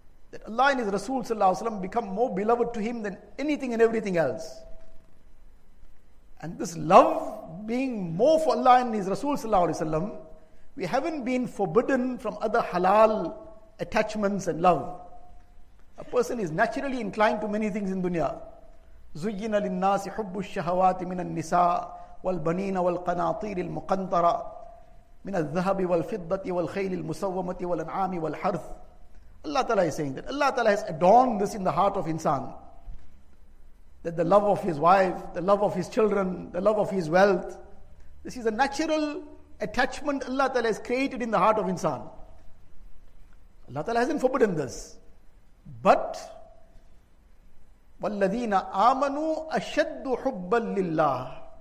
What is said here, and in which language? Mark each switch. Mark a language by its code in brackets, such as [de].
[en] That Allah and His Rasul sallallahu alayhi wa sallam become more beloved to him than anything and everything else. And this love being more for Allah and His Rasul sallallahu alayhi wa sallam, we haven't been forbidden from other halal attachments and love. A person is naturally inclined to many things in dunya. [ar] زُيِّنَ لِلنَّاسِ حُبُّ الشَّهَوَاتِ مِنَ النِّسَاءِ وَالْبَنِينَ وَالْقَنَاطِيرِ الْمُقَنْطَرَةِ من الذهب والفضة والخيل المسومة والأنعام والحرث. [en] Allah Ta'ala is saying that Allah Ta'ala has adorned this in the heart of insan, that the love of his wife, the love of his children, the love of his wealth, this is a natural attachment Allah Ta'ala has created in the heart of insan. Allah Ta'ala hasn't forbidden this, but [ar] والذين آمنوا أشد حبا لله.